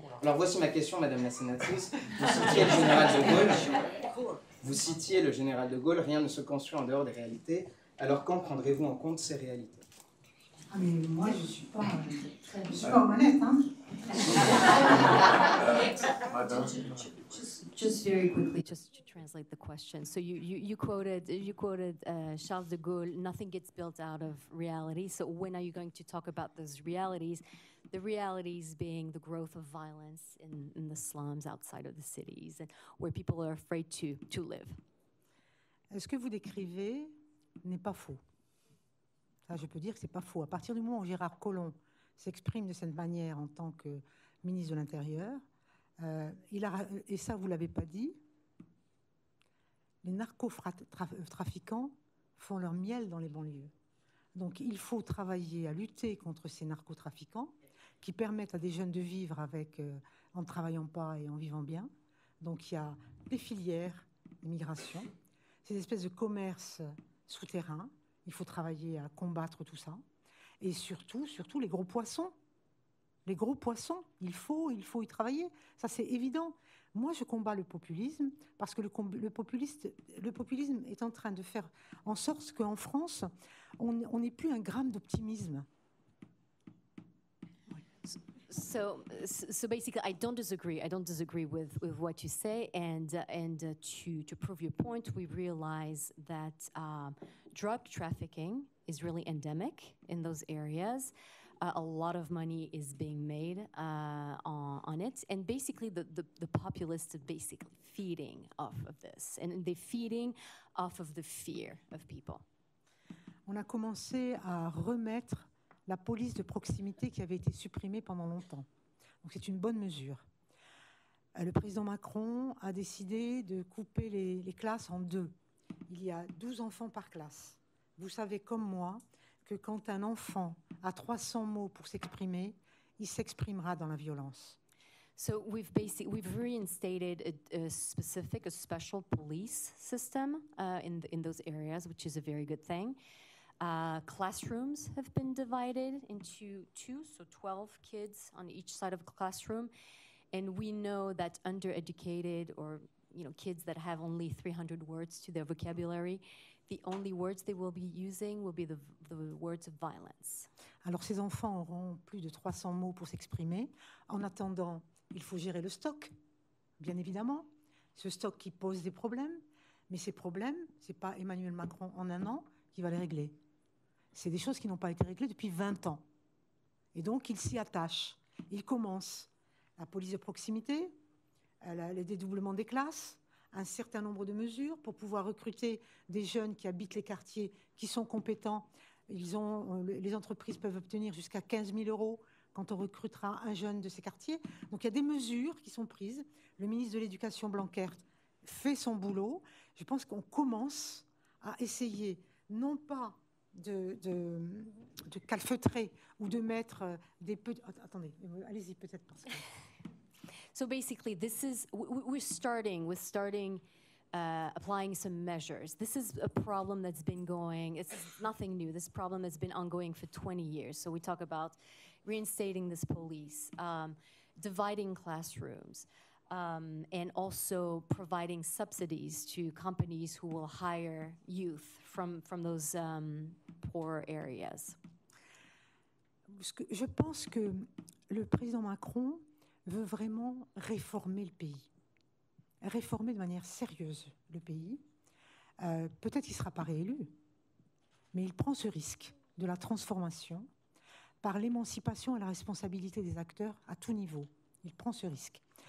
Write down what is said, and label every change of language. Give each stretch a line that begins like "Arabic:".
French: Alors voici ma question, madame la sénatrice. Vous citiez le général de Gaulle. Vous citiez le général de Gaulle. Rien ne se construit en dehors des réalités. Alors quand prendrez-vous en compte ces réalités? Ah mais moi, je ne suis pas honnête, hein.
English: just to translate the question, so you quoted Charles de Gaulle, nothing gets built out of reality. So when are you going to talk about those realities? The realities being the growth of violence in the slums outside of the cities and where people are afraid to live.
French: Est-ce que vous décrivez n'est pas faux? Ça, je peux dire que c'est pas faux. À partir du moment où Gérard Collomb s'exprime de cette manière en tant que ministre de l'Intérieur, et ça, vous ne l'avez pas dit, les narcotrafiquants font leur miel dans les banlieues. Donc, il faut travailler à lutter contre ces narcotrafiquants qui permettent à des jeunes de vivre avec, en ne travaillant pas et en vivant bien. Donc, il y a des filières d'immigration, ces espèces de commerces souterrains. Il faut travailler à combattre tout ça. Et surtout les gros poissons. Les gros poissons, il faut y travailler. Ça, c'est évident. Moi, je combats le populisme parce que le populisme est en train de faire en sorte qu'en France, on n'ait plus un gramme d'optimisme.
English: So basically, I don't disagree with what you say, and to prove your point, we realize that drug trafficking is really endemic in those areas. A lot of money is being made on it, and basically the populists are basically feeding off of this, and they're feeding off of the fear of people.
French: On a commencé à remettre la police de proximité qui avait été supprimée pendant longtemps. Donc c'est une bonne mesure. Le président Macron a décidé de couper les classes en deux. Il y a 12 enfants par classe. Vous savez comme moi que quand un enfant a 300 mots pour s'exprimer, il s'exprimera dans la violence.
English: So we've reinstated a special police system in those areas, which is a very good thing. Classrooms have been divided into two, so 12 kids on each side of a classroom. And we know that undereducated or, you know, kids that have only 300 words to their vocabulary, the only words they will be using will be the words of violence.
French: Alors, ces enfants auront plus de 300 mots pour s'exprimer. En attendant, il faut gérer le stock, bien évidemment. Ce stock qui pose des problèmes. Mais ces problèmes, ce n'est pas Emmanuel Macron en un an qui va les régler. C'est des choses qui n'ont pas été réglées depuis 20 ans. Et donc, ils s'y attachent. Ils commencent la police de proximité, les dédoublements des classes, un certain nombre de mesures pour pouvoir recruter des jeunes qui habitent les quartiers, qui sont compétents. Les entreprises peuvent obtenir jusqu'à 15 000 euros quand on recrutera un jeune de ces quartiers. Donc, il y a des mesures qui sont prises. Le ministre de l'Éducation, Blanquer, fait son boulot. Je pense qu'on commence à essayer, non pas de calfeutrer ou de mettre des attendez, allez-y peut-être parce que
English: so basically this is we're starting applying some measures. This is a problem that's been going, it's nothing new. This problem has been ongoing for 20 years. So we talk about reinstating this police, dividing classrooms, and also providing subsidies to companies who will hire youth from those poor areas.
French: Je pense que le président Macron veut vraiment réformer le pays, réformer de manière sérieuse le pays. Peut-être qu'il ne sera pas réélu, mais il prend ce risque de la transformation par l'émancipation et la responsabilité des acteurs à tout niveau. Il prend ce risque.